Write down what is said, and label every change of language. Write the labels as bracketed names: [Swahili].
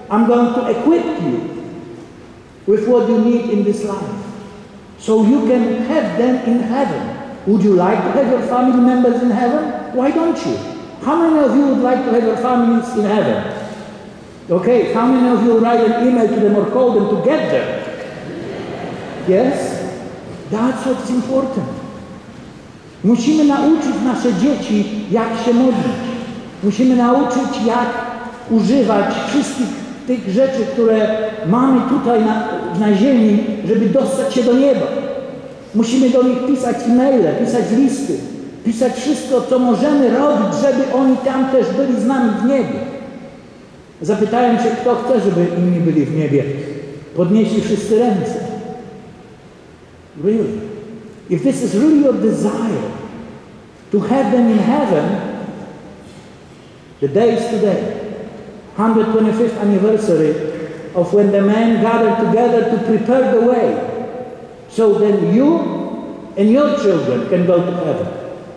[English] I'm going to equip you with what you need in this life, so you can have them in heaven. Would you like to have your family members in heaven? Why don't you? How many of you would like to have your families in heaven? Okay, how many of you write an email to them or call them to get them? Yes? That's what's important. [Polish] Musimy nauczyć nasze dzieci, jak się modlić. Musimy nauczyć, jak używać wszystkich tych rzeczy, które mamy tutaj na ziemi, żeby dostać się do nieba. Musimy do nich pisać e-maile, pisać listy, pisać wszystko, co możemy robić, żeby oni tam też byli z nami w niebie. Zapytałem się, kto chce, żeby inni byli w niebie. Podnieśli wszyscy ręce. [English] Really? If this is really your desire to have them in heaven, the day is today. 125th anniversary of when the men gathered together to prepare the way, so then you and your children can go to heaven.